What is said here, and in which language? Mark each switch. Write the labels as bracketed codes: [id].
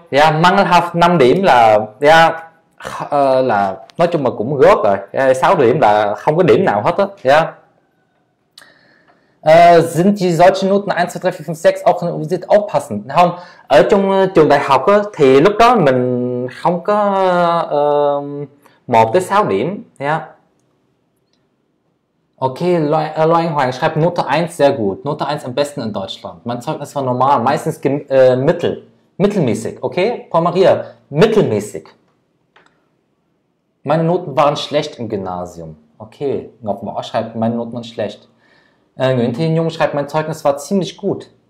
[vi] Ja, mangelhaft, 5 điểm là, là nói chung là cũng góp rồi. Ja, 6 điểm là không có điểm nào hết á. [de] Ja. Sind die solchen Noten 1, 2, 3, 4, 5, 6 auch in der Universität auch passend? [vi] Không, ở trong trường đại học á, thì lúc đó mình không có 1 tới 6 điểm. [de] Okay, Loan Hoàng schreibt Note 1 sehr gut. Note 1 am besten in Deutschland. Mein Zeugnis war normal, meistens mittelmäßig. Okay, Paul Maria, mittelmäßig. Meine Noten waren schlecht im Gymnasium. Okay, Ngọc schreibt, meine Noten waren schlecht. Nguyễn Thiên Nhung schreibt, mein Zeugnis war ziemlich gut.